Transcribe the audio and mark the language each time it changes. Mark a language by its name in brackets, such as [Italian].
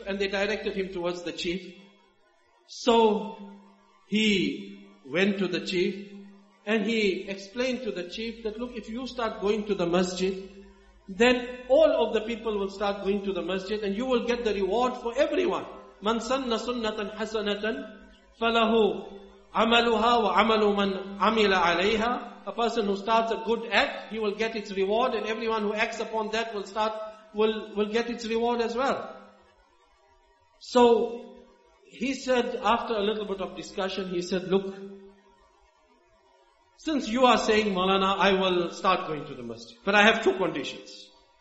[English] And they directed him towards the chief. So he went to the chief and he explained to the chief that, look, if you start going to the masjid, then all of the people will start going to the masjid and you will get the reward for everyone. [Arabic] Man sanna sunnatan hasanatan, فَلَهُ عَمَلُهَا وَعَمَلُ مَنْ عَمِلَ عَلَيْهَا. [English] A person who starts a good act, he will get its reward, and everyone who acts upon that will get its reward as well. So he said, after a little bit of discussion, he said, look, since you are saying, Maulana, I will start going to the masjid, but I have two conditions.